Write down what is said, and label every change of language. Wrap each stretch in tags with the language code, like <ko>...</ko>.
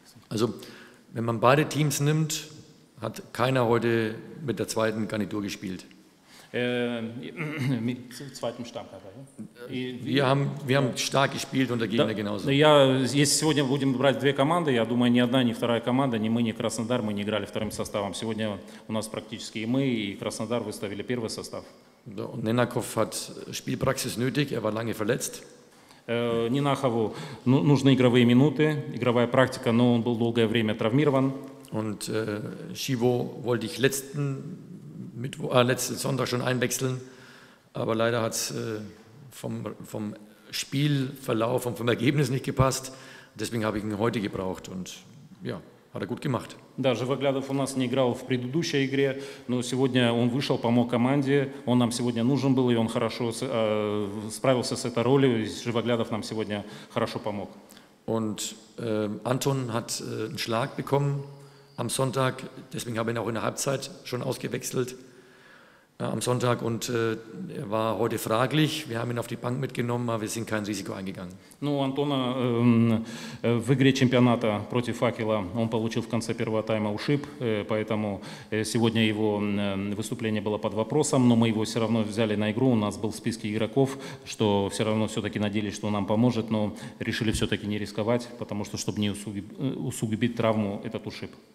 <de>Also, wenn man beide Teams nimmt, hat keiner heute mit der zweiten Garnitur gespielt. Mit zweitem Stammkader. Wir haben stark gespielt und der Gegner genauso.</de> <ru>Я если сегодня будем брать две команды, я думаю, ни одна, ни вторая команда, ни мы, ни Краснодар, мы не играли вторым составом. Сегодня у нас практически и мы, и Краснодар выставили первый состав.</ru> <de>Ненаков hat Spielpraxis nötig. Er war lange verletzt.</de> <ru>Нинахову нужны игровые минуты, игровая практика, но он был долгое время травмирован.</ru> <de>Und Schivo wollte ich letzten Sonntag schon einwechseln, aber leider hat es vom Spielverlauf und vom Ergebnis nicht gepasst. Deswegen habe ich ihn heute gebraucht und ja, hat gut gemacht.</de> <ru>Да, Живоглядов у нас не играл в предыдущей игре, но сегодня он вышел, помог команде, он нам сегодня нужен был, и он хорошо справился с этой ролью, и Живоглядов нам сегодня хорошо помог.</ru> <de>Und Anton hat einen Schlag bekommen am Sonntag, deswegen habe ich ihn auch in der Halbzeit schon ausgewechselt am Sonntag und er war heute fraglich. Wir haben ihn auf die Bank mitgenommen, aber wir sind kein Risiko eingegangen.</de> <ru>Ну, Антона в игре чемпионата против Факела он получил в конце первого тайма ушиб, поэтому сегодня его выступление было под вопросом, но мы его все равно взяли на игру. У нас был в списке игроков, что все равно все-таки надеялись, что он нам поможет, но решили все-таки не рисковать, потому что, чтобы не усугубить травму, этот ушиб.</ru>